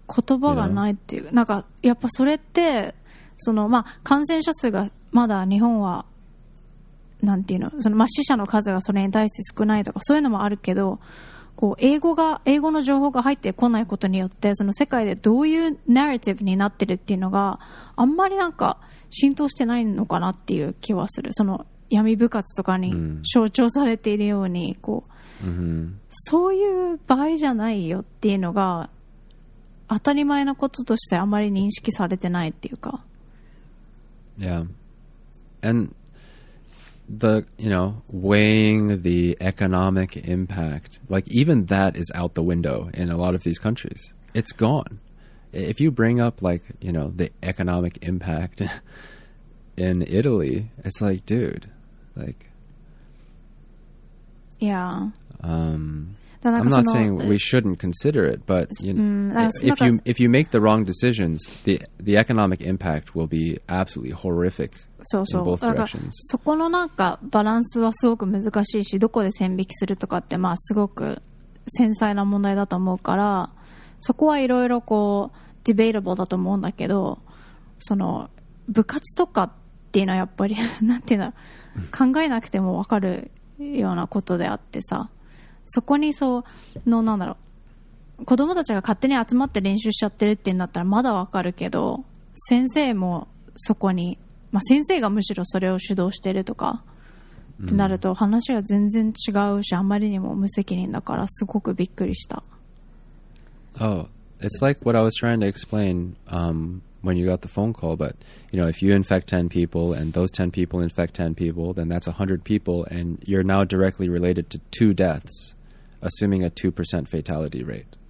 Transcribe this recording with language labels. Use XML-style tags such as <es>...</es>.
<ja>言葉がないっていう、なんかやっぱそれってそのまあ感染者数がまだ日本はなんていうの、その、まあ、死者の数がそれに対して少ないとかそういうのもあるけど、こう英語の情報が入ってこないことによってその世界でどういうナラティブになってるっていうのがあんまりなんか浸透してないのかなっていう気はする。その闇部活とかに象徴されているようにこう、そういう場合じゃないよっていうのが当たり前のこととしてあんまり認識されてないっていうか。</ja> <en>Yeah. AndThe, you know, weighing the economic impact, like even that is out the window in a lot of these countries. It's gone. If you bring up like, you know, the economic impact in Italy, it's like, dude, like, yeah. I'm not saying we shouldn't consider it, but you know, if you make the wrong decisions, the economic impact will be absolutely horrific.</en> <ja>そうそう。だからそこのなんかバランスはすごく難しいし、どこで線引きするとかってまあすごく繊細な問題だと思うから、そこはいろいろこうディベイタブルだと思うんだけど、その部活とかっていうのはやっぱりなんていうの、考えなくても分かるようなことであってさ。そこにそのなんだろう、子供たちが勝手に集まって練習しちゃってるってなったらまだわかるけど、先生もそこに、まあ、先生がむしろそれを主導してるとかってなると話が全然違うし、あまりにも無責任だからすごくびっくりした。</ja> <en>Oh, it's like what I was trying to explain when you got the phone call. But, you know, if you infect 10 people and those 10 people infect 10 people, then that's 100 people. And you're now directly related to two deaths, assuming a 2% fatality rate.</en>